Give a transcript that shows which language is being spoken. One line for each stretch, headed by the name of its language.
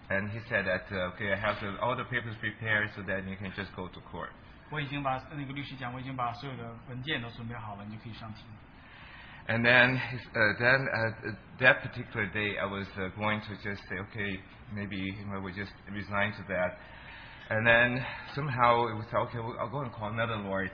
English: And he said that okay, I have all the papers prepared so that you can just go to court.
Chinese: 我已经把那个律师讲，我已经把所有的文件都准备好了，你就可以上庭。
English: And then that particular day, I was going to just say okay, maybe we just resign to that. And then somehow it was okay, I'll go and call another lawyer.